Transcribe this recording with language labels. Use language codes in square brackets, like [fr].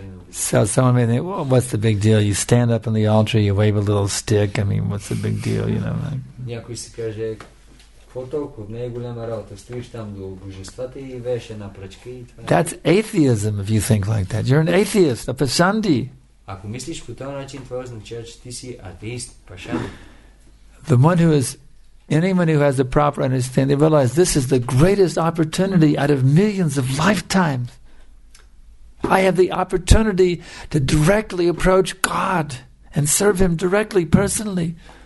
[en] So someone may think, well, what's the big deal? You stand up on the altar, you wave a little stick. I mean, what's the big deal, you know? [bg] Някой си каже, какво толкова, не е голяма работа. Стоиш там до божествата и вееш една пръчка и това. [en] That's atheism if you think like that. You're an atheist, a pashandi. [bg] Ако мислиш по този начин, това означава, че ти си атеист, пашанди. [en] The one who is Anyone who has a proper understanding, they realize this is the greatest opportunity out of millions of lifetimes. I have the opportunity to directly approach God and serve Him directly, personally.